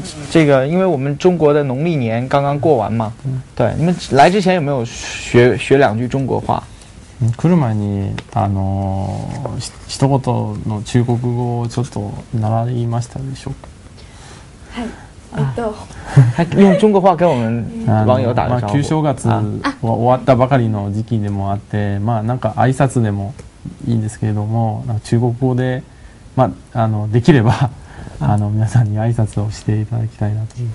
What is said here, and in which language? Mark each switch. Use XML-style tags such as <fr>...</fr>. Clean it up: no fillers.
<zh>这个因为我们中国的农历年刚刚过完嘛，对，你们来之前有没有学两句中国话？</zh> <ja>来る前にあの一言の中国語をちょっと習いましたでしょうか？はい、</ja> <zh>用中国话跟我们网友打个招呼。</zh> <ja>旧正月は終わったばかりの時期でもあって、まあなんか挨拶でもいいんですけれども、なんか中国語でまああのできれば。あの皆さんに挨拶をしていただきたいなと。</ja>